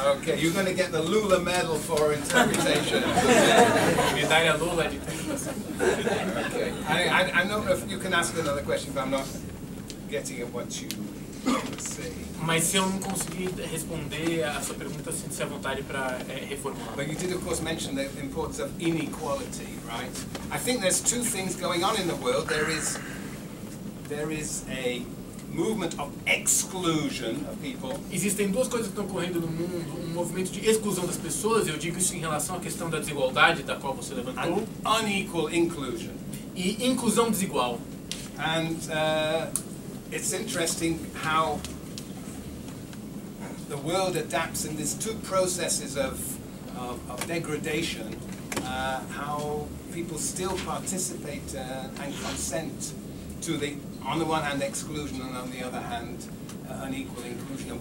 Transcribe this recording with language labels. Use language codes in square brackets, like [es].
[en] Okay, you're going to get the Lula medal for interpretation. [pt] Medalha Lula. [en] Okay, I don't know if you can ask another question, but I'm not getting at what you say. [pt] Mas se eu não conseguir responder a sua pergunta, sinta-se à vontade para reformular. [en] But you did, of course, mention the importance of inequality, right? I think there's two things going on in the world. There is a movement of exclusion of people. [pt] Existem duas coisas que estão ocorrendo no mundo, movimento de exclusão das pessoas. Eu digo isso em relação à questão da desigualdade da qual você levantou. [en] And unequal inclusion. [pt] E inclusão desigual. [en] And it's interesting how the world adapts in these two processes of degradation, how people still participate and consent to the, on the one hand, exclusion, and on the other hand, unequal inclusion.